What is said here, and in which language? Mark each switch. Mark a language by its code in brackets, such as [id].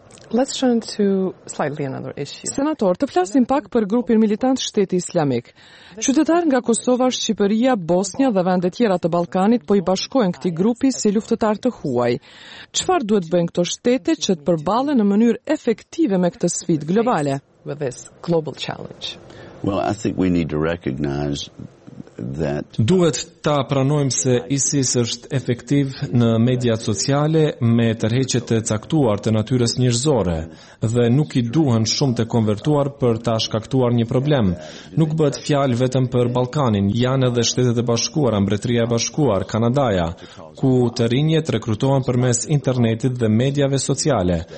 [en] Let's turn to slightly another issue. [sq] Senator, të flasim pak për grupin militant Shteti Islamik. Qytetarë nga Kosova, Shqipëria, Bosnia dhe vende tjera të Ballkanit po i bashkohen këtij grupi si luftëtar të huaj. Çfarë duhet bëjnë këto shtete që të përballen në mënyrë efektive me këtë sfidë globale? [en] With this global challenge. Well, I think we need to recognize [sq] that duhet ta pranojmë se ISIS është efektiv në mediat sociale me tërheqjet të caktuar të natyrës njerëzore dhe nuk i duhen shumë të konvertuar për ta shkaktuar një problem. Nuk bëhet fjalë vetëm për Ballkanin, janë edhe Shtetet e Bashkuara, Mbretëria e Bashkuar, Kanadaja, ku të rinjet rekrutohen përmes internetit dhe mediave sociale.